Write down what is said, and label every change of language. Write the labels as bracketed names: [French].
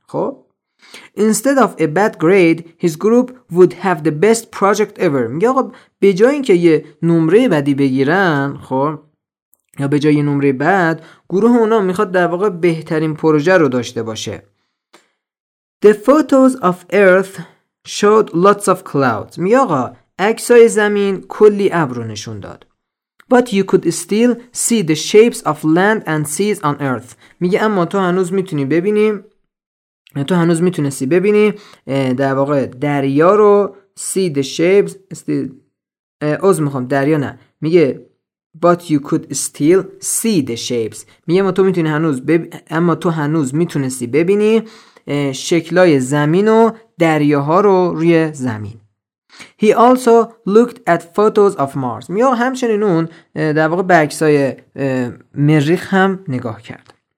[English] خب instead of a bad grade his group would have the best project ever. [Persian] میگه آقا به جای اینکه یه نمره بدی بگیرن خب یا به جای یه نمره بد، گروه اونا میخواد در واقع بهترین پروژه رو داشته باشه. [English] The photos of Earth showed lots of clouds. [Persian] میگه آقا عکسای زمین کلی ابر رو نشون داد. [English] But you could still see the shapes of land and seas on Earth. [Persian] میگه اما تو هنوز میتونی ببینی، تو هنوز میتونستی ببینی در واقع دریا رو. [English] See the shapes [Persian] از میخوام دریا نه. [English] میگه But you could still see the shapes. [Persian] میگه اما تو میتونی هنوز اما تو هنوز میتونستی ببینی شکلای زمین و دریاها رو روی زمین. [English] He also looked at photos of Mars. [Persian] میگه همچنین اون در واقع به عکسای مریخ هم نگاه کرد.